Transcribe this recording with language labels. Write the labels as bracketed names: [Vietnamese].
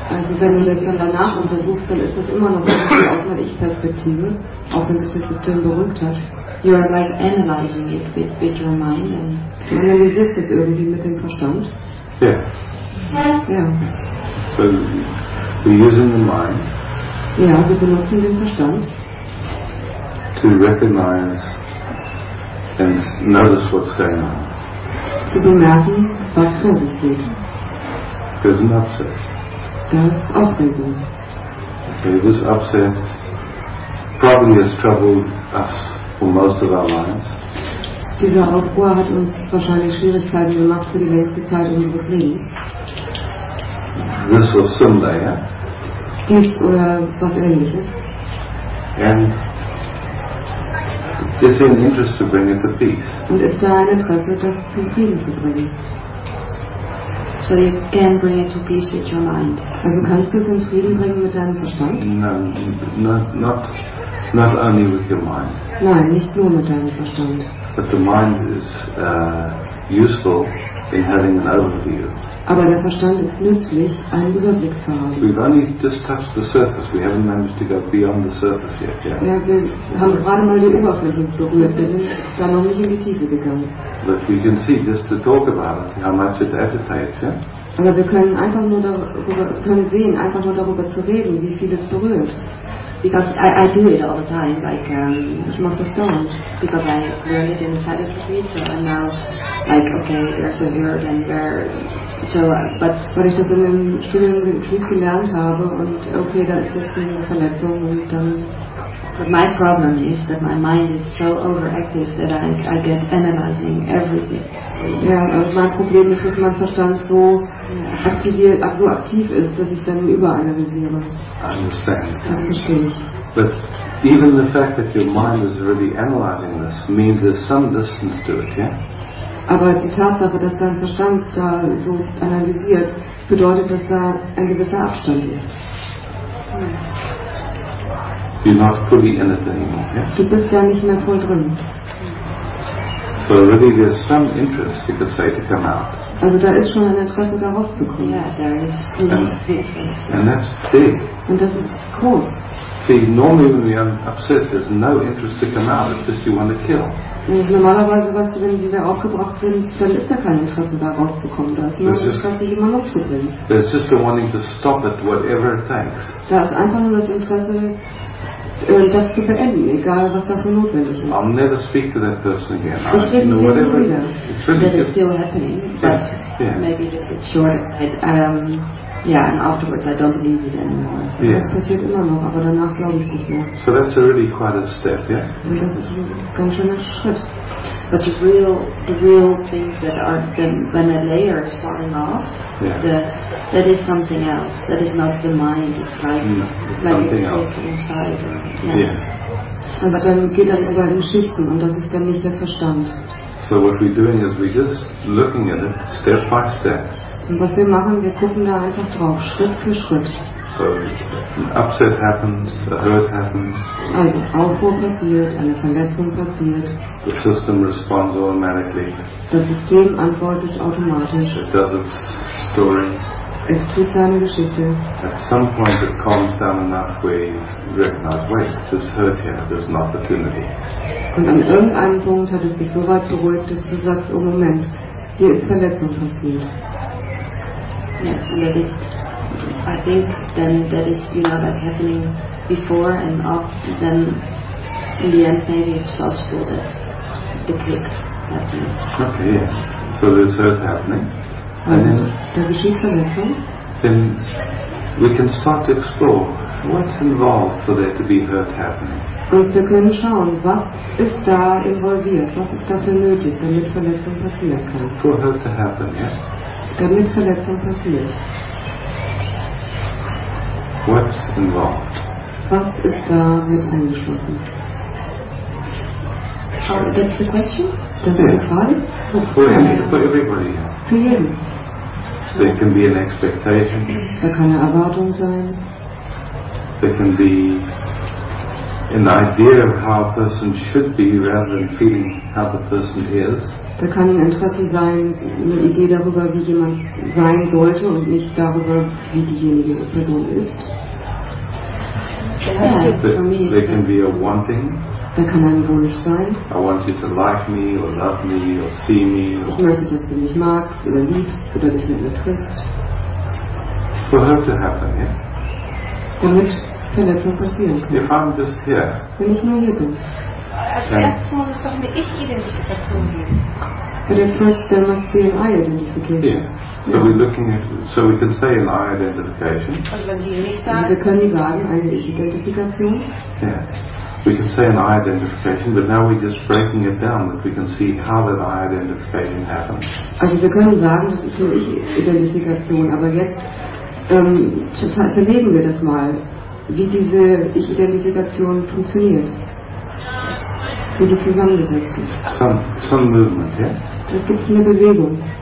[German] Also wenn du das dann danach untersuchst, dann ist das immer noch aus einer Ich-Perspektive, auch wenn sich das System beruhigt hat. [English] You are like analyzing it with your mind. And [German] du analysierst es irgendwie mit dem Verstand. Ja. Yeah. Yeah. [English] So we're using the mind. [German] Ja, wir benutzen den Verstand. [English] To recognize and notice what's going on. [German] Zu bemerken, was vor sich geht. [English] There's an upset. [German] Da ist Aufregung. [English] Okay, this upset probably has troubled us for most of our lives. [German] Dieser Aufruhr hat uns wahrscheinlich Schwierigkeiten gemacht für die längste Zeit unseres Lebens. [English] This or similar, yeah? [German] Dies oder was Ähnliches. [English] And is there an interest to bring it to peace? [German] Und ist da ein Interesse, das zum Frieden zu bringen? [English] So you can bring it to peace with your mind. [German] Also kannst du es in Frieden bringen mit deinem Verstand? [English] No, not only with your mind. [German] Nein, nicht nur mit deinem Verstand. [English] But the mind is useful in having an overview. [German] Aber der Verstand ist nützlich, einen Überblick zu haben. [English] We've only just touched the surface. We haven't managed to go beyond the surface yet. Yeah. [German] Ja, wir haben gerade mal die Oberfläche berührt, wir sind da noch nicht in die Tiefe gegangen. [English] But we can see just to talk about it, how much it agitates, yeah? [German] Aber wir können einfach nur darüber sehen, einfach nur darüber zu reden, wie viel es berührt. [English] Because I do it all the time, like [German] ich mache das dauernd, [English] because I learn it in the side of the street, so I'm now like okay, there's a hurt and where, so but [German] weil ich das in den Studien gut gelernt habe und okay, da ist jetzt eine Verletzung und dann. [English] But my problem is that my mind is so overactive that I get analyzing everything. [German] Ja, und mein Problem ist, dass mein Verstand so aktiv ist, dass ich dann überanalysiere. [English] I understand. [German] Das verstehe ich. [English] But even the fact that your mind is already analyzing this means there's some distance to it, yeah? [German] Aber die Tatsache, dass dein Verstand da so analysiert, bedeutet, dass da ein gewisser Abstand ist. [English] You're not fully in it anymore, yeah? [German] Du bist ja nicht mehr voll drin. [English] So really there's some interest, you could say, to come out. Also da ist schon ein Interesse, da rauszukommen. Yeah, there is. And that's big. [German] Und das ist groß. [English] See, normally when we are upset, there's no interest to come out, it's just you want to kill. [German] Und normalerweise, weißt du, wenn wir aufgebracht sind, dann ist da kein Interesse, da rauszukommen. Da ist nur ein Interesse, jemanden umzubringen. [English] There's just the wanting to stop it, whatever it takes. [German] Da ist einfach nur das Interesse, das zu beenden, egal was dafür notwendig ist. [English] I'll never speak to that person again. [German] Ich rede mit dir nie wieder. [English] It's really that Is still happening, but yeah. Maybe a little bit short. Yeah, and afterwards I don't believe it anymore. So [German] yeah. Das passiert immer noch, aber danach glaube ich nicht mehr. [English] So that's already quite a step, yeah? [German] Und das ist ein ganz schöner Schritt. [English] But the real things that are, when a layer is falling off, yeah. That is something else. That is not the mind. It's like, no, it's like something it's else. Inside. Or, yeah. Yeah. [German] Aber dann geht das über in Schichten und das ist dann nicht der Verstand. [English] So what we're doing is we're just looking at it step by step. [German] Und was wir machen, wir gucken da einfach drauf, Schritt für Schritt. [English] So, an upset happens, a hurt happens. [German] Also, Aufruhr passiert, eine Verletzung passiert. [English] The system responds automatically. [German] Das System antwortet automatisch. [English] It does its story. [German] Es tut seine Geschichte. [English] At some point it calms down enough where you recognize, wait, this hurt here, there's an opportunity. [German] Und an irgendeinem Punkt hat es sich so weit beruhigt, dass du sagst, oh Moment, hier ist Verletzung passiert. [English] Yes, and that is, I think, then that is, you know, like happening before and after, then in the end maybe it's possible that the click happens. Okay, yeah. So there's hurt happening. [German] Also, da geschieht Verletzung. [English] Then we can start to explore what's involved for there to be hurt happening. [German] Und wir können schauen, was ist da involviert, was ist dafür nötig, damit Verletzung passieren kann. [English] For hurt to happen, yeah? [German] Damit Verletzung passiert. [English] What's involved? [German] Was ist da mit eingeschlossen? [English] That's the question? [German] Das ist die Frage? [English] For [German] jeden. [English] There can be an expectation. [German] Da kann eine Erwartung sein. [English] There can be an idea of how a person should be rather than feeling how the person is. [German] Da kann ein Interesse sein, eine Idee darüber, wie jemand sein sollte und nicht darüber, wie diejenige Person ist. [English] There can be a wanting. [German] Da kann ein Wunsch sein. [English] I want you to like me or love me or see me. [German] Ich möchte, dass du mich magst oder liebst oder dich mit mir triffst. [English] For her to happen, yeah? [German] Damit Verletzung passieren kann. [English] If I'm just here. [German] Wenn ich nur hier bin. Also erst muss es doch eine Ich-Identifikation geben. [English] But at first there must be an I-Identification. Yeah. So yeah. We're looking at, so we can say an I-Identification. [German] Also wir können sagen, eine Ich-Identifikation. Yeah. [English] We can say an I-Identification, but now we're just breaking it down, that we can see how that I-Identification happens. [German] Also wir können sagen, das ist eine Ich-Identifikation, aber jetzt zerlegen wir das mal, wie diese Ich-Identifikation funktioniert. Wie die zusammengesetzt ist. [English] Some movement, yeah? [German] Da gibt es eine Bewegung.